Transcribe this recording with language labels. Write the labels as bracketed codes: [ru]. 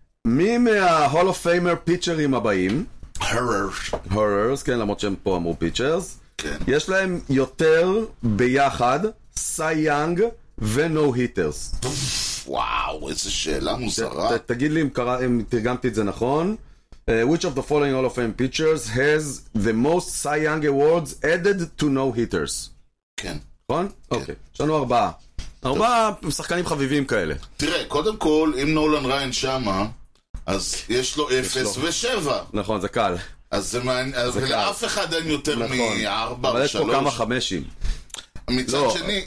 [he] מי מההול אוף פיימר פיצ'רים הבאים? הוררס. הוררס, כן, למרות שהם פה אמרו פיצ'רס. כן. יש להם יותר ביחד, סי יאנג ונו היטרס. וואו, איזה שאלה מוזרה. תגיד לי אם תרגמתי את זה נכון. [en] Which of the following Hall of Fame pitchers has the most Cy Young awards added to no hitters? [he] כן. נכון? אוקיי. יש לנו ארבעה. ארבעה שחקנים חביבים כאלה. תראה, קודם כל, אם נולן ריין שמה, אז יש לו 0 ו-7. נכון, זה קל. אז זה מעניין, אבל לאף אחד אין יותר מ-4 ו-3. אבל יש פה כמה חמשים. מצד שני...